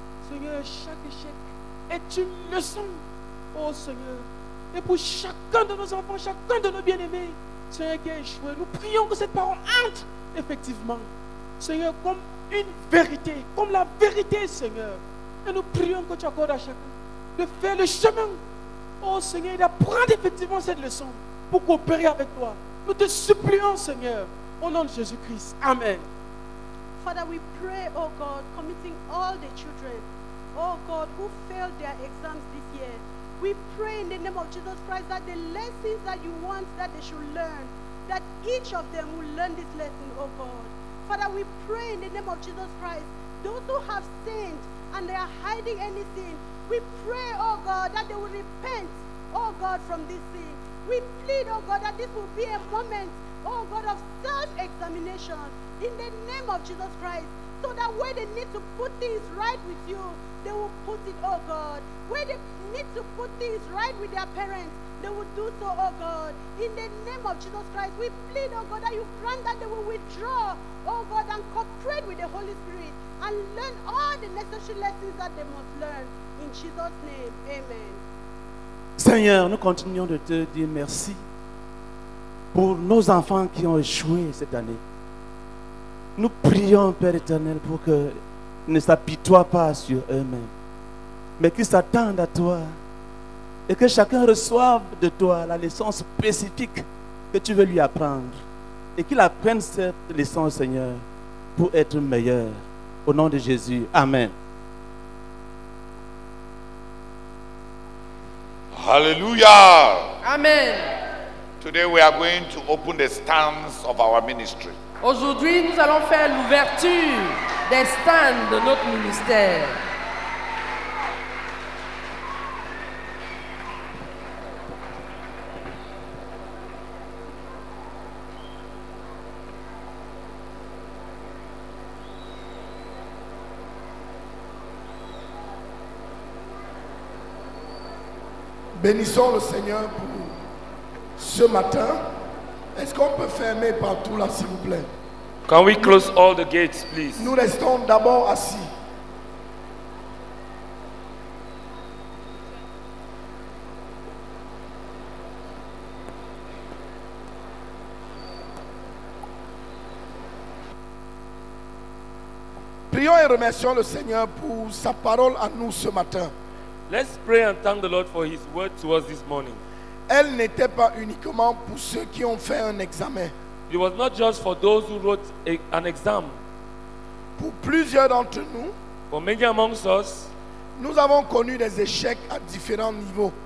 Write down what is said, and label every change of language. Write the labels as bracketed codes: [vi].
[fr] Seigneur, chaque échec est une leçon. Oh Seigneur, et pour chacun de nos enfants, chacun de nos bien-aimés, Seigneur qui a échoué, nous prions que cette parole entre effectivement, Seigneur, comme une vérité, comme la vérité, Seigneur. Et nous prions que tu accordes à chacun de faire le chemin. Oh Seigneur, d'apprendre effectivement cette leçon pour coopérer avec toi. Nous te supplions, Seigneur, au nom de Jésus-Christ. Amen. [en] Father, we pray, oh God, committing all the children, oh God, who failed their exams this year. We pray in the name of Jesus Christ that the lessons that you want that they should learn, that each of them will learn this lesson, oh God. Father, we pray in the name of Jesus Christ, those who have sinned and they are hiding anything, we pray, oh God, that they will repent, oh God, from this sin. We plead, oh God, that this will be a moment, oh God, of self-examination in the name of Jesus Christ, so that where they need to put things right with you, they will put it, oh God. Where they need to put things right with their parents, they will do so, oh God. In the name of Jesus Christ, we plead, oh God, that you grant that they will withdraw, oh God, and cooperate with the Holy Spirit and learn all the necessary lessons that they must learn. In Jesus' name, amen. [fr] Seigneur, nous continuons de te dire merci pour nos enfants qui ont échoué cette année. Nous prions, Père éternel, pour qu'ils ne s'apitoient pas sur eux-mêmes, mais qu'ils s'attendent à toi et que chacun reçoive de toi la leçon spécifique que tu veux lui apprendre et qu'il apprenne cette leçon, Seigneur, pour être meilleur. Au nom de Jésus, amen. Alléluia. Amen. [en] Today we are going to open the stands of our ministry. [fr] Aujourd'hui, nous allons faire l'ouverture des stands de notre ministère. Bénissons le Seigneur pour ce matin. Est-ce qu'on peut fermer partout là, s'il vous plaît? [en] Can we close all the gates, please? [fr] Nous restons d'abord assis. Prions et remercions le Seigneur pour sa parole à nous ce matin. [en] Let's pray and thank the Lord for his word to us this morning. [fr] Elle n'était pas uniquement pour ceux qui ont fait un examen. [en] It was not just for those who wrote an exam. [fr] Pour plusieurs d'entre nous, [en] for many amongst us, [fr] nous avons connu des échecs à différents niveaux.